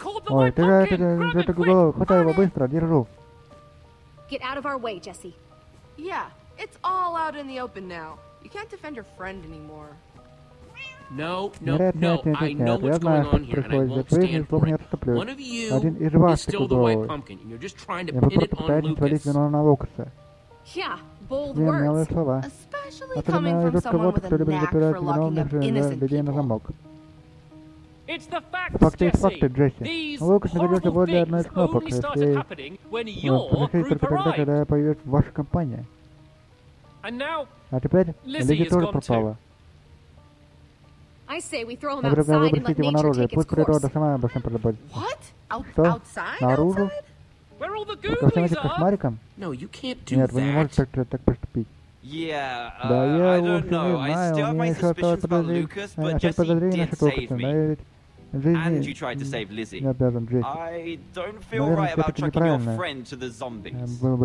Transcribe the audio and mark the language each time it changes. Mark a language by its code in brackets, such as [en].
[ru] Ой, ты же эту голову, хватай его быстро, держу. [en] Get out of our way, Jesse. Yeah, it's all out in the open now. You can't defend your friend anymore. No, I know what's going on here, and I won't stand for it. One of you is still the white pumpkin, and you're just trying to pin it on Lucas. Yeah, bold words. Especially coming from someone with a knack for locking up innocent people. It's the facts, Jesse. [ru] Факты, Джесси. [en] These horrible things only start happening when your group arrives. [ru] Тогда, когда появится ваша компания. [en] And now, [ru] а теперь Лиззи тоже пропала. [en] I say we throw him outside and let nature take its course. [ru] Пусть природа сама обо всем подумает. [en] What? [ru] Что? Наружу? [en] Where all the goobies are? [ru] Как смариком? [en] No, you can't do [ru] нет, [en] that. [ru] Вы не можете так поступить. [en] Yeah, I don't know. I still have my suspicions about Lucas, but Jesse did save me. And you tried to save Lizzie. I don't feel right about chucking your friend to the zombies.